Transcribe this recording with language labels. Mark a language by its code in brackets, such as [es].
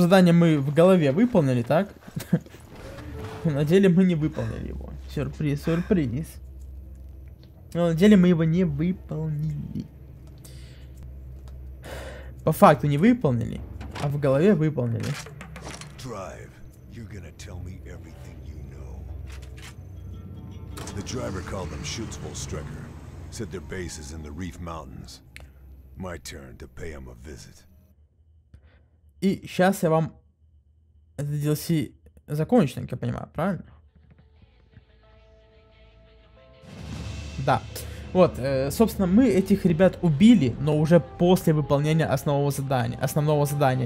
[ru] Задание мы в голове выполнили, так? На деле мы не выполнили его. Сюрприз, сюрприз. Но на деле мы его не выполнили. По факту не выполнили, а в голове выполнили. [en] Drive, you're gonna tell me everything you know. The driver called them Schutzwolf Strecker. Said their base is in the Reef Mountains. My turn to pay him a visit. [ru] И сейчас я вам это DLC закончу, как я понимаю, правильно? Да. Вот, собственно, мы этих ребят убили, но уже после выполнения основного задания.